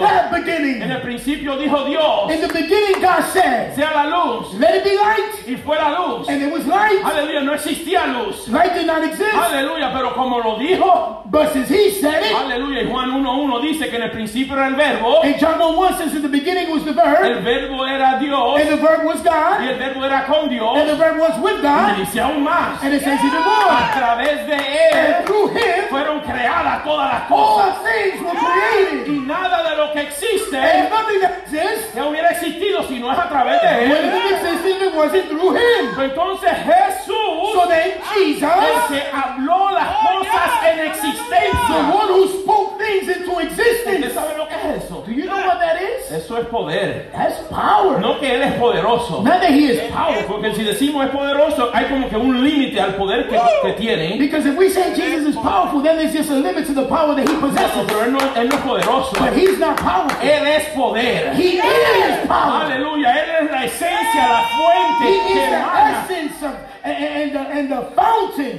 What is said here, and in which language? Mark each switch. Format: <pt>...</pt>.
<en>That beginning.</en> <es>En el principio dijo Dios.</es> <en>In the beginning God said.</en> <es>Sea la luz.</es> <en>Let it be light.</en> <es>Y fue la luz.</es> <en>And it was light.</en> <es>Aleluya, no existía luz.</es> <en>Light did not exist.</en> <es>Aleluya, pero como lo dijo.</es> <en>But since he said it.</en> <es>Aleluya, y Juan 1:1 dice que en el principio era el verbo.</es> <en>And John 1:1 says in the beginning was the verb.</en> <es>El verbo era Dios.</es> <en>And the verb was God.</en> <es>Y el verbo era con Dios.</es> <en>And the verb was with God.</en> <es>Y dice aún más.</es> <en>And it says even more.</en> <es>A través de él.</es> <en>And through him.</en> <es>Fueron creadas. Todas las cosas.</es> <en>All things were created.</en> <es>Y nada de lo que existe.</es> <en>And nothing that exists.</en> <es>Que hubiera existido si no es a través de él.</es> <en>Nothing existed if it wasn't through him.</en> <es>Entonces Jesús.</es> <en>So then Jesus.</en> <es>El que habló las cosas en existencia.</es> <en>The one who spoke things into existence.</en> <es>¿Sabe lo que es eso?</es> <en>Do you know what that is?</en> <es>Eso es poder.</es> <en>That's power.</en> <es>No que él es poderoso.</es> <en>Not that he is powerful.</en> <es>Porque si decimos es poderoso, hay como que un límite al poder que tiene.</es> <en>Because if we say Jesus is powerful, then there's just a limit to the power that he possesses.</en> <es>Pero él no es poderoso.</es> <en>But he's not powerful.</en> <es>Él es poder.</es> <en>He is power.</en> <es>Aleluya. Él es la esencia, la fuente.</es> <en>He is the essence of and the fountain.</en>